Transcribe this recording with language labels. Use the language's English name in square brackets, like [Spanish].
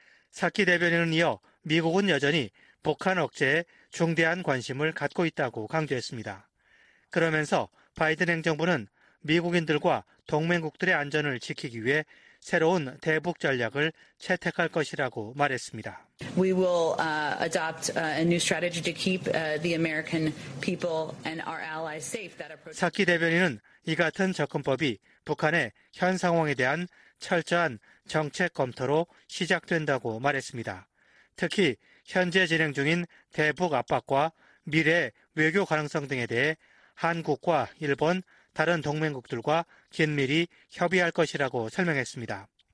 [Korean] 사키 대변인은 이어 미국은 여전히 북한 억제에 중대한 관심을 갖고 있다고 강조했습니다. 그러면서 바이든 행정부는 미국인들과 동맹국들의 안전을 지키기 위해 새로운 대북 전략을 채택할 것이라고 말했습니다. [English] We will adopt a new strategy to keep the American people and our allies safe. [Korean] 사키 대변인은 이 같은 접근법이 북한의 현 상황에 대한 철저한 정책 검토로 시작된다고 말했습니다. 특히 현재 진행 중인 대북 압박과 미래 외교 가능성 등에 대해 한국과 일본, 다른 동맹국들과 긴밀히 협의할 것이라고 설명했습니다.